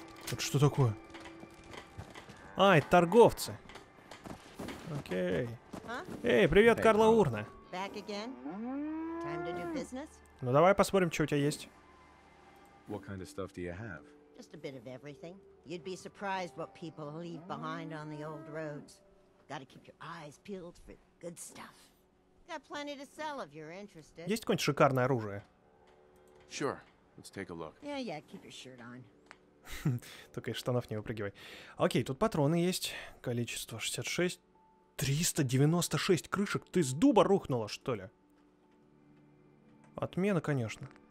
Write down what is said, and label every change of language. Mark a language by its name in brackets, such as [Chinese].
[Russian] Это что такое? А, это торговцы. Окей. Эй, привет, Карла Урна. Ну давай посмотрим, что у тебя есть. [English] What kind of stuff do you have? Just a bit of everything. You'd be surprised what people leave behind on the old roads. Gotta keep your eyes peeled for good stuff. Got plenty to sell if you're interested. [Russian] Есть какое-нибудь шикарное оружие? [English] Sure. Let's take a look. Yeah, keep your shirt on. [Russian] Только из штанов не выпрыгивай. Окей, тут патроны есть. Количество 66. 396 крышек. Ты с дуба рухнула, что ли? Отмена, конечно.